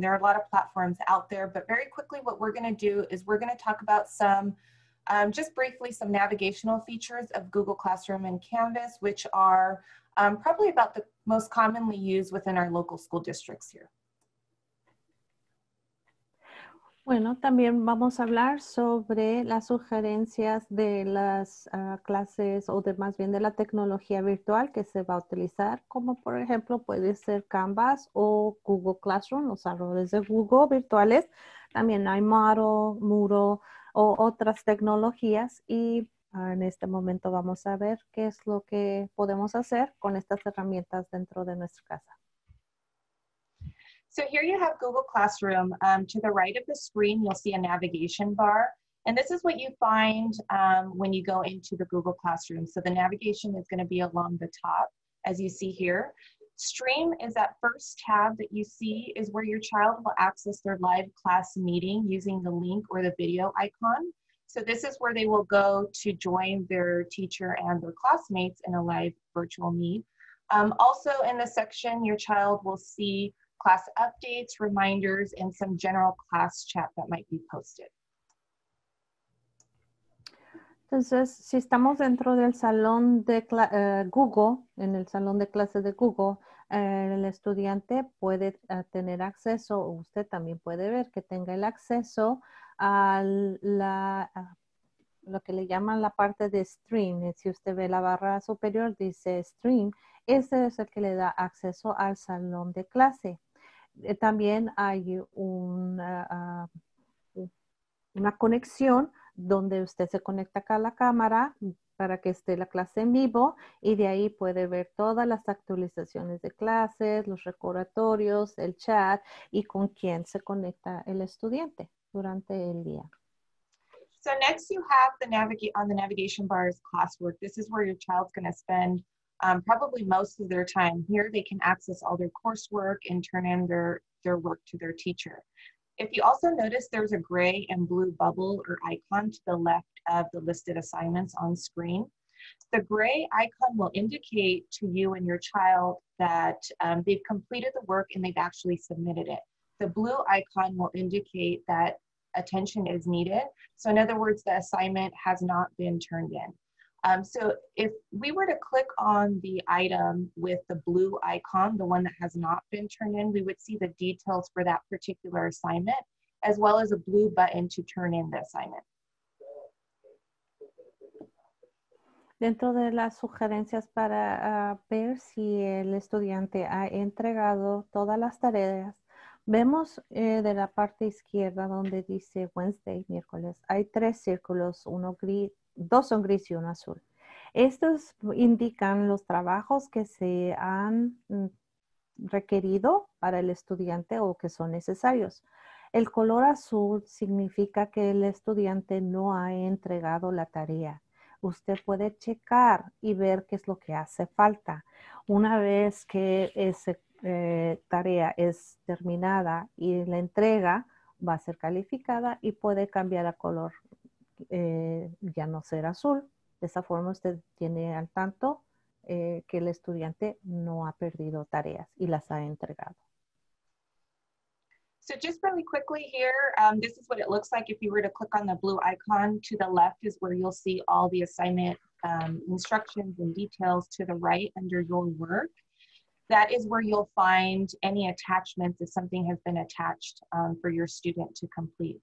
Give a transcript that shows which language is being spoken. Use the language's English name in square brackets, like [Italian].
[English] There are a lot of platforms out there, but very quickly what we're gonna do is we're gonna talk about some, just briefly, some navigational features of Google Classroom and Canvas, which are probably about the most commonly used within our local school districts here. [Spanish] Bueno, también vamos a hablar sobre las sugerencias de las clases o de más bien de la tecnología virtual que se va a utilizar, como por ejemplo puede ser Canvas o Google Classroom, los salones de Google virtuales. También hay Moodle, o otras tecnologías y en este momento vamos a ver qué es lo que podemos hacer con estas herramientas dentro de nuestra casa. [English] So here you have Google Classroom. To the right of the screen, you'll see a navigation bar. And this is what you find when you go into the Google Classroom. So the navigation is going to be along the top, as you see here. Stream is that first tab that you see, is where your child will access their live class meeting using the link or the video icon. So this is where they will go to join their teacher and their classmates in a live virtual meet. Also in the section, your child will see class updates, reminders, and some general class chat that might be posted. [Spanish] Entonces, si estamos dentro del salón de Google, en el salón de clases de Google, el estudiante puede tener acceso, o usted también puede ver que tenga el acceso a la, a lo que le llaman la parte de stream. Si usted ve la barra superior, dice stream. Este es el que le da acceso al salón de clase. También hay una conexión donde usted se conecta acá a la cámara para que esté la clase en vivo y de ahí puede ver todas las actualizaciones de clases, los recordatorios, el chat y con quién se conecta el estudiante durante el día. [English] So next you have the on the navigation bar is classwork. This is where your child's going to spend probably most of their time. Here they can access all their coursework and turn in their work to their teacher. If you also notice, there's a gray and blue bubble or icon to the left of the listed assignments on screen. The gray icon will indicate to you and your child that they've completed the work and they've actually submitted it. The blue icon will indicate that attention is needed. So in other words, the assignment has not been turned in. So if we were to click on the item with the blue icon, the one that has not been turned in, we would see the details for that particular assignment, as well as a blue button to turn in the assignment. [Spanish] Dentro de las sugerencias para ver si el estudiante ha entregado todas las tareas, vemos de la parte izquierda donde dice Wednesday, miércoles, hay tres círculos, uno gris, dos son gris y uno azul. Estos indican los trabajos que se han requerido para el estudiante o que son necesarios. El color azul significa que el estudiante no ha entregado la tarea. Usted puede checar y ver qué es lo que hace falta. Una vez que esa tarea es terminada y la entrega va a ser calificada y puede cambiar a color ya no ser azul. De esa forma usted tiene al tanto que el estudiante no ha perdido tareas y las ha entregado. [English] So just really quickly here, this is what it looks like if you were to click on the blue icon. To the left is where you'll see all the assignment instructions and details. To the right under your work, that is where you'll find any attachments if something has been attached for your student to complete.